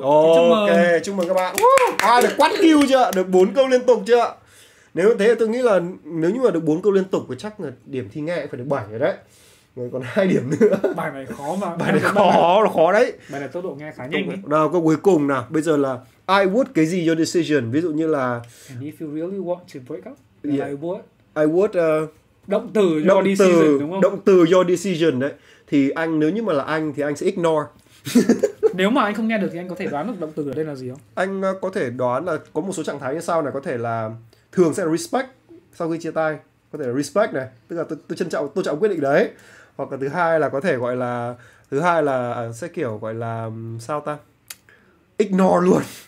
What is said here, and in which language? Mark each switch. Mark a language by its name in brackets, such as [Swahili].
[Vietnamese] Ok, chúc mừng các bạn. Được quát kêu chưa? Được 4 câu liên tục chưa? Nếu như thế thì tôi nghĩ là nếu như mà được 4 câu liên tục thì chắc là điểm thi nghe phải được 7 rồi đấy. Người còn 2 điểm nữa. Bài này khó mà. Bài này khó đấy. Bài này tốc độ nghe khá nhanh ấy. Nào, câu cuối cùng nào. Bây giờ là [English] I would [Vietnamese] cái gì [English] your decision. [Vietnamese] Ví dụ như là [English] and if you really want to break up, yeah. I would [Vietnamese] động từ [English] your [Vietnamese] động [English] decision [Vietnamese] từ, đúng không? Động từ [English] your decision [Vietnamese] đấy. Thì anh nếu như mà là anh thì anh sẽ ignore. Nếu mà anh không nghe được thì anh có thể đoán được động từ ở đây là gì không? Anh có thể đoán là có một số trạng thái như sau này. Có thể là thường sẽ respect sau khi chia tay. Có thể là respect này, tức là tôi trân trọng, tôn trọng quyết định đấy. Hoặc là thứ hai là có thể gọi là thứ hai là sẽ kiểu gọi là sao ta, ignore luôn.